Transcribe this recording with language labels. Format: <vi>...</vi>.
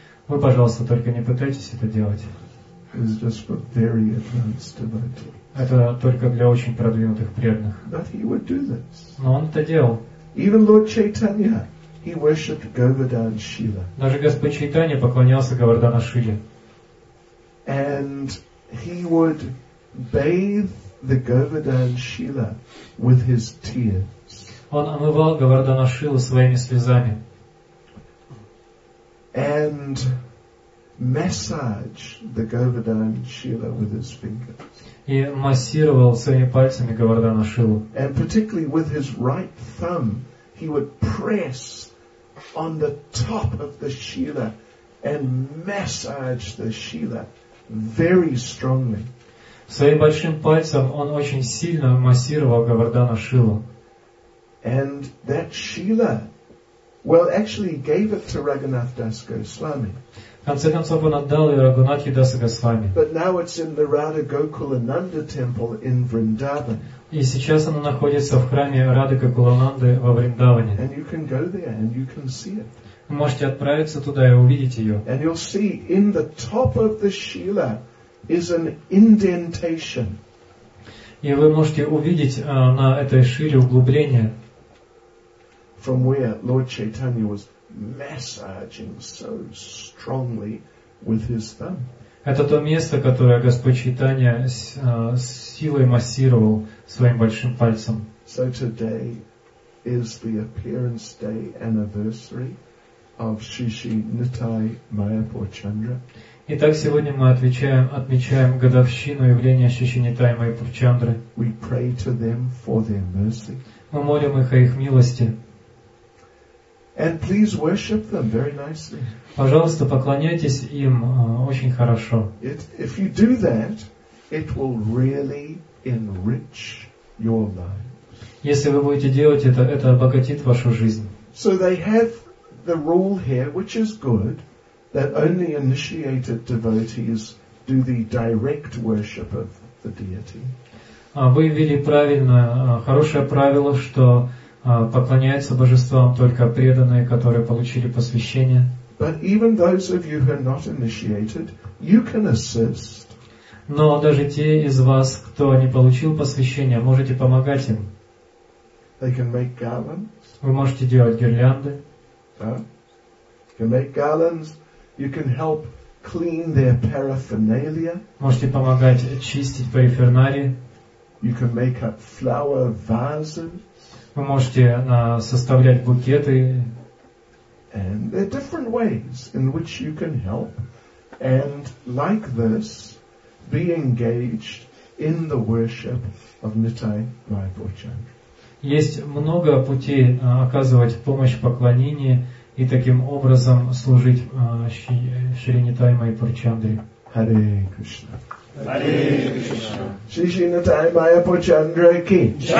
<ru>Вы, пожалуйста, только не пытайтесь это делать.</ru> <en>It's just for very advanced devotees.</en> <ru>Это только для очень продвинутых преданных.</ru> <en>But he would do this.</en> <ru>Но он это делал.</ru> <en>Even Lord Chaitanya, he worshipped Govardhan Shila.</en> <ru>Даже Господь Чайтанья поклонялся Говардхана Шиле.</ru> <en>And he would bathe the Govardhan Shila with his tears.</en> <ru>Он омывал Говардхана Шилу своими слезами.</ru> <en>And massage the Govardhan Shila with his fingers.</en> <ru>И массировал своими пальцами Говардхана Шилу.</ru> <en>And particularly with his right thumb, he would press on the top of the Shila and massage the Shila very strongly.</en> <ru>Своим большим пальцем он очень сильно массировал Говардхана Шилу.</ru> <en>And that Shila, well, actually gave it to Raghunath Das Goswami.</en> <ru>В конце концов, он отдал ее Рагхунатхе Даса Госвами.</ru> <en>But now it's in the Radha Gokulananda temple in Vrindavan.</en> <ru>И сейчас она находится в храме Радха Гокулананды во Вриндаване.</ru> <en>And you can go there and you can see it.</en> <ru>Вы можете отправиться туда и увидеть ее.</ru> <en>And you'll see in the top of the shila is an indentation.</en> <ru>И вы можете увидеть на этой шиле углубление.</ru> <en>From where Lord Chaitanya was massaging so strongly with his thumb.</en> <ru>Это то место, которое Господь Чайтанья силой массировал своим большим пальцем.</ru> <en>So today is the appearance day anniversary of Shishi Nitai Mayapur Chandra.</en> <ru>Итак, сегодня мы отмечаем годовщину явления Шиши Нитай Майпур Чандры.</ru> <en>We pray to them for their mercy.</en> <ru>Мы молим их о их милости.</ru> <en>And please worship them very nicely.</en> <ru>Пожалуйста, поклоняйтесь им очень хорошо.</ru> <en>If you do that, it will really enrich your life.</en> <ru>Если вы будете делать это обогатит вашу жизнь.</ru> <en>So they have the rule here, which is good, that only initiated devotees do the direct worship of the deity.</en> <ru>Вы ввели правильно, хорошее правило, что поклоняются божествам только преданные, которые получили посвящение.</ru> <en>But even those of you who are not initiated, you can assist.</en> <ru>Но даже те из вас, кто не получил посвящение, можете помогать им.</ru> <en>They can make garlands.</en> <ru>Вы можете делать гирлянды.</ru> <en>You can make garlands. You can help clean their paraphernalia.</en> <ru>Можете помогать чистить парафернарии.</ru> <en>You can make up flower vases.</en> <ru>Вы можете составлять букеты.</ru> <en>And there are different ways in which you can help. And like this, be engaged in the worship of Nitai Mayapur Chandra.</en> <ru>Есть много путей оказывать помощь в поклонении и таким образом служить Шри Нитай Майпур Чандре.</ru> <sa>Hare Krishna. Hare Krishna. Шри Нитай Майпур Чандре ки.</sa>